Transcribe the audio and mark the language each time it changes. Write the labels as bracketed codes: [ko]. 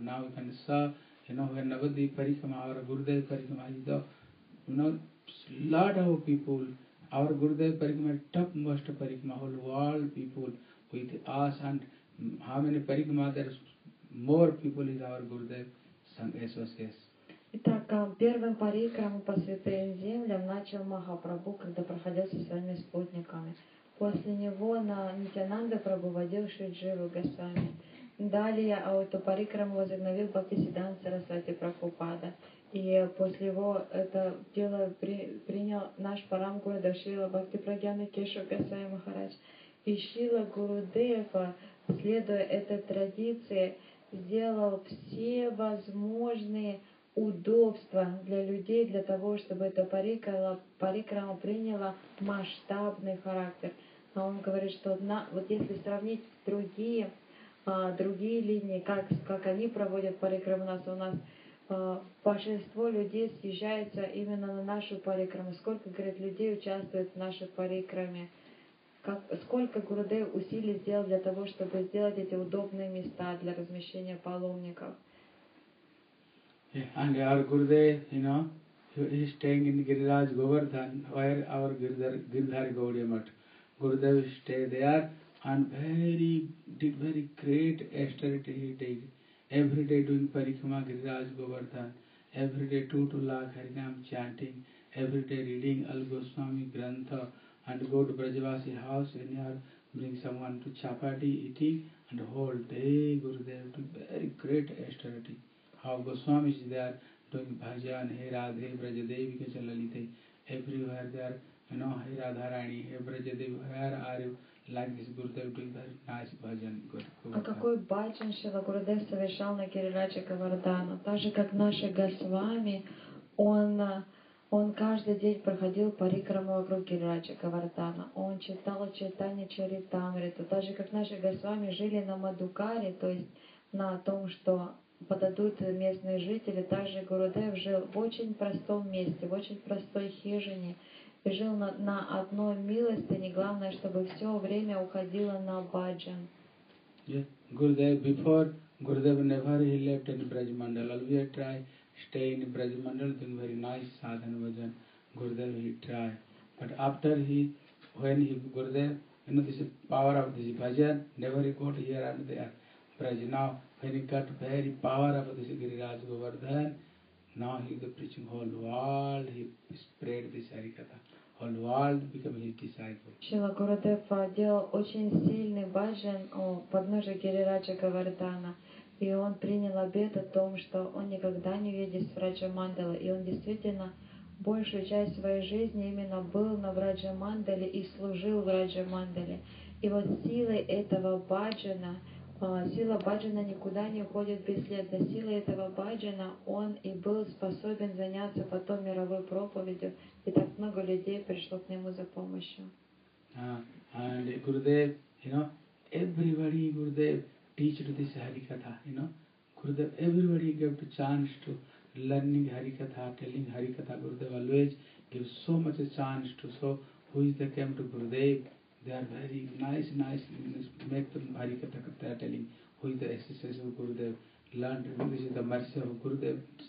[en] Now we can serve, you know, when Navadi parikrama, our Gurudev parikrama, you know, lot of people, our Gurudev parikrama, topmost parikrama, whole world people with us and how many parikrama, there's more people is our Gurudev Sangha Associates. [ru] Итак, первым парикрамом по святым землям начал Махапрабху, когда проходил со своими спутниками. После него на Нитянанда Прабху водил Шриджива Госвами. Далее эту парикраму возобновил Бхактисиддханта Сарасвати Прабхупада. И после его это дело принял наш Парам Гурудев Шрила Бхакти Прагьяна Кешава Госвами Махарадж. И Шрила Гурудев, следуя этой традиции, сделал все возможные удобства для людей, для того, чтобы эта парикрама приняла масштабный характер. Но он говорит, что вот если сравнить другие линии, как они проводят парикраму у нас, большинство людей съезжаются именно на нашу парикраму. Сколько, говорит, людей участвует в нашей парикраме? Сколько Гурудев усилий сделал для того, чтобы сделать эти удобные места для размещения паломников? [en] Yeah, and our Gurudev, you know, he is staying in Giriraj Govardhan, where our Giridhar Gaudiya Math. Gurudev stay there and very great austerity he did. Every day doing parikrama Giriraj Govardhan, every day 2 to 2 lakh Harinam chanting, every day reading Al Goswami Grantha and go to Brajavasi house and here bring someone to chapati eating and whole day Gurudev to very great austerity. How Goswami is there doing bhajan, hey Radhe, Brajadevi, Kachalalite, everywhere there, you know, hey Radharani, hey Brajadevi, where are you? Like this Gurudev doing that nice bhajan. [ru] А какой бхаджан Шрила Гурудев совершал на Гирираджа Говардхана? Так же, как наши Госвами, он каждый день проходил парикраму вокруг Гирираджа Говардхана. Он читал Чайтанья Чаритамриту. Так же, как наши Госвами жили на Мадукаре, то есть на том, что подадут местные жители. Также Гурудев жил в очень простом месте, в очень простой хижине. И жил на одной милостыне, главное, чтобы все время уходило на баджан. [en] Yeah. Gurudev, before Gurudev never he left in Brajmandal. Always try stay in Brajmandal, doing very nice sadhana bhajan. Gurudev he try. But after he, when he, Gurudev, you know this power of this bhajan, never he got here and there. Praj, now when he got very power of this Giriraj Govardhan, now he is preaching whole world, he spread this Harikatha, whole world become his disciple. [ru] Шрила Гурудев делал очень сильный баджан у подножия Гирираджа Говардхана, и он принял обет о том, что он никогда не видит с Враджа Мандала, и он действительно большую часть своей жизни именно был на Враджа Мандале и служил Враджа Мандале. И вот силы этого баджана, сила баджана никуда не уходит бесследно. Сила этого баджана, он и был способен заняться потом мировой проповедью, и так много людей пришло к нему за помощью. [en] And Gurudev, you know, everybody Gurudev teaches this Harikatha, you know. Gurudev, everybody gives a chance to learning Harikatha, telling Harikatha. Gurudev always gives so much a chance to, so who is the came to Gurudev, they are very nice, make them Harikatha Katha telling, who is the exercise of Gurudev, learn, this is the mercy of Gurudev.